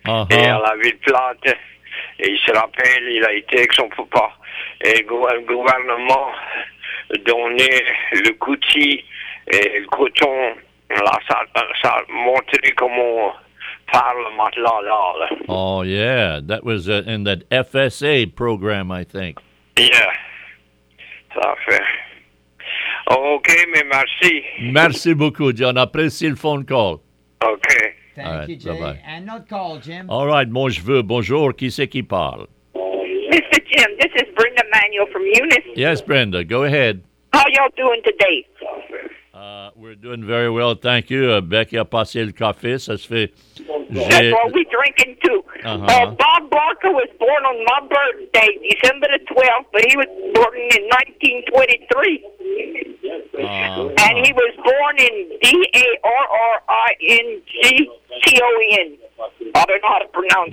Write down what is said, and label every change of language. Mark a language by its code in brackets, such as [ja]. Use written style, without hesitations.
[fr] Et à la ville plate. Et il se rappelle, il a été avec son papa. Et le gouvernement donnait le couti et le coton. Là, ça montrait comment faire le matelas là. [en] Oh, yeah. That was in that FSA program, I think. [fr] Yeah. Ça fait. OK, mais merci. Merci beaucoup, John. Apprécie le [en] phone call. OK. Thank you, Jay. And not call, Jim. [fr] All right, moi je veux. Bonjour, qui c'est qui parle? [en] Mr. Jim, this is Brenda Manuel from Eunice. Yes, Brenda, go ahead. How y'all doing today? We're doing very well, thank you. [fr] Becky a passé le café, ça se fait... [en] That's what we're drinking, too. Bob Barker was born on my birthday, December the 12th, but he was born in 1923. And he was born in D-A-R-R-I-N-G-T-O-N. I don't know how to pronounce